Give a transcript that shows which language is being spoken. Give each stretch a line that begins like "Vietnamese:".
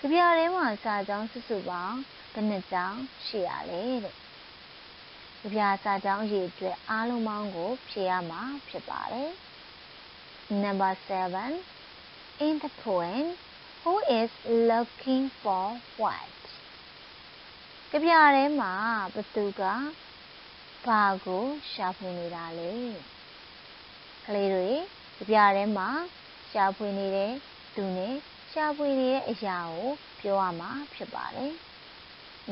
Burmese: ကြပြရဲမှာစာကြောင်းစုစုပေါင်းဘယ်နှကြောင်းရှိရလဲတဲ့ကြပြစာကြောင်းရေအတွက်အားလုံးပေါင်းကိုဖြေရမှာဖြစ်ပါတယ်
English: Number 7. In the poem, who is looking for what?
Burmese: ကြပြရဲမှာဘသူကဘာကိုရှာဖွေနေတာလဲ။ကလေးတွေကြပြရဲမှာရှာဖွေနေတဲ့သူနဲ့ရှာဖွေနေတဲ့အရာကိုပြောရမှာဖြစ်ပါတယ်။